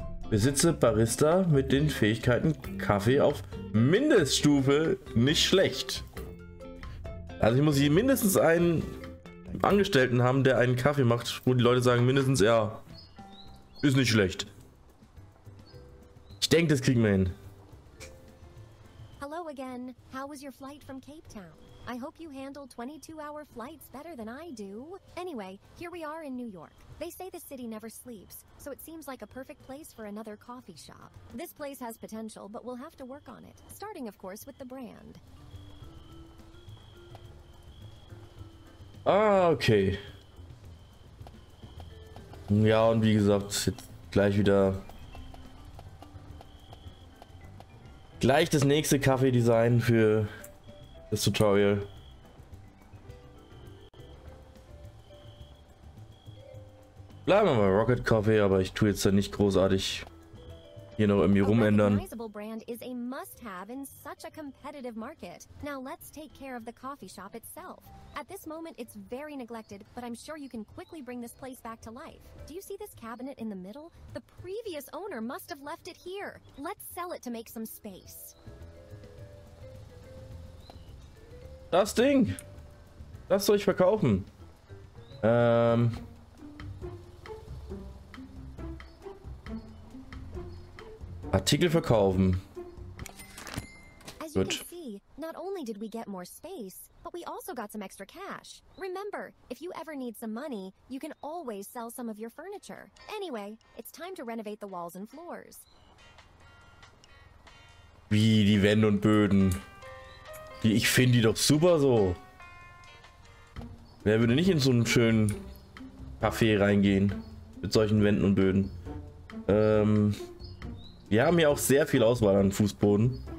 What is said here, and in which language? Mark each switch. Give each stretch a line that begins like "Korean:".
German: Besitze Barista mit den Fähigkeiten Kaffee auf Mindeststufe, nicht schlecht. Also ich muss hier mindestens einen Angestellten haben, der einen Kaffee macht, wo die Leute sagen, mindestens, ja, ist nicht schlecht. Ich denke, das kriegen wir hin.
English: Hallo again, how was your flight from Cape Town? I hope you handle 22-hour flights better than I do. Anyway, here we are in New York. They say the city never sleeps, so it seems like a perfect place for another coffee shop. This place has potential, but we'll have to work on it, starting, of course, with the brand.
German: Ah, okay. Ja, und wie gesagt, gleich wieder... Gleich das nächste Kaffee-Design für... Das Tutorial. Bleiben wir bei Rocket Coffee, aber ich tue jetzt da nicht großartig hier noch irgendwie rumändern.
English: Recognizable brand is a must have in such a competitive market. Now let's take care of the coffee shop itself. At this moment it's very neglected, but I'm sure you can quickly bring this place back to life. Do you see this cabinet in the middle? The previous owner must have left it here. Let's sell it to make some space.
German: Das Ding! Das soll ich verkaufen. Artikel verkaufen.
English: As you can see, not only did we get more space, but we also got some extra cash. Remember, if you ever need some money, you can always sell some of your furniture. Anyway, it's time to renovate the walls and floors.
German: Wie die Wände und Böden. Ich finde die doch super so. Wer würde nicht in so einen schönen Café reingehen? mit solchen Wänden und Böden. Wir haben hier auch sehr viel Auswahl an Fußboden.